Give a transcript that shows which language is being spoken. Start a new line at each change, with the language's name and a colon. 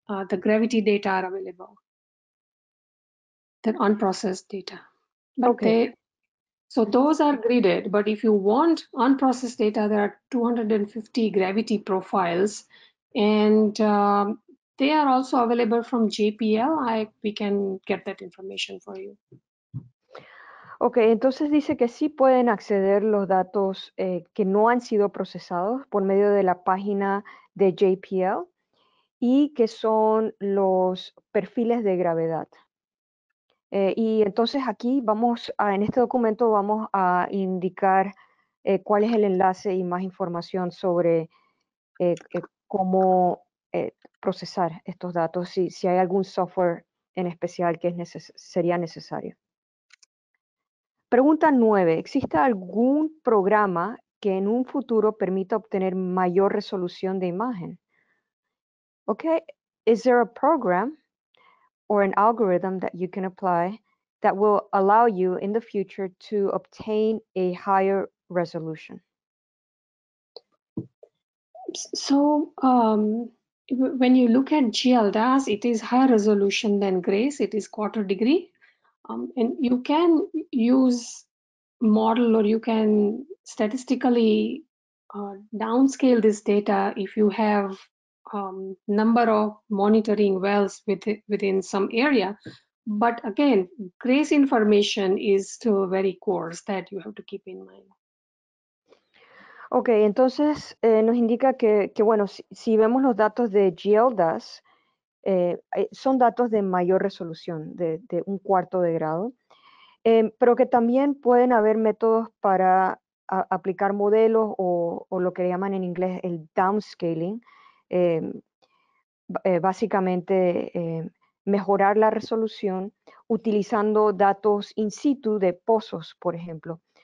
English: The gravity data are available, the unprocessed data. But okay. So those are gridded, but if you want unprocessed data, there are 250 gravity profiles, and they are also available from JPL. We can get that information for you.
Spanish: Okay, entonces dice que sí pueden acceder los datos que no han sido procesados por medio de la página de JPL y que son los perfiles de gravedad. Y entonces aquí vamos a, en este documento vamos a indicar cuál es el enlace y más información sobre cómo procesar estos datos, si hay algún software en especial que sería necesario. Pregunta 9. ¿Existe algún programa que en un futuro permita obtener mayor resolución de imagen?
English: Okay, is there a program or an algorithm that you can apply that will allow you in the future to obtain a higher resolution? So, when you look at GLDAS, it is higher resolution than GRACE, it is quarter degree. And you can use model or you can statistically downscale this data if you have number of monitoring wells within some area. But again, GRACE information is still very coarse that you have to keep in mind.
Spanish: Ok, entonces nos indica que bueno, si vemos los datos de GLDAS, son datos de mayor resolución, de un cuarto de grado, pero que también pueden haber métodos para aplicar modelos o lo que llaman en inglés el downscaling, básicamente mejorar la resolución utilizando datos in situ de pozos, por ejemplo.